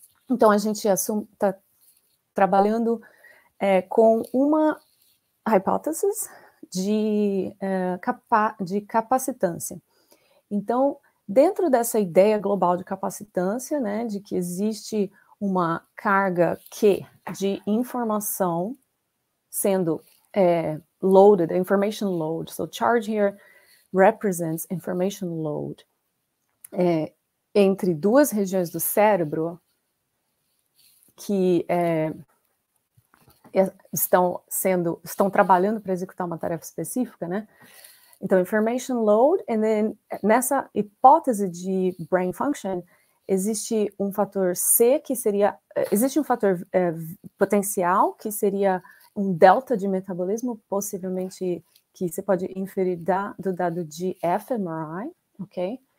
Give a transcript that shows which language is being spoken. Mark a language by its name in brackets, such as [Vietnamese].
[Portuguese] Então, a gente está trabalhando com uma hipótese de capacitância. Então, dentro dessa ideia global de capacitância, né, de que existe uma carga Q de informação sendo [English] loaded, information load. So, charge here represents information load. [Portuguese] Entre duas regiões do cérebro que estão trabalhando para executar uma tarefa específica, né? Então, [English] information load, and then, [Portuguese] nessa hipótese de brain function, existe um fator C que seria, existe um fator potencial que seria um delta de metabolismo, possivelmente que você pode inferir do dado de fMRI, ok?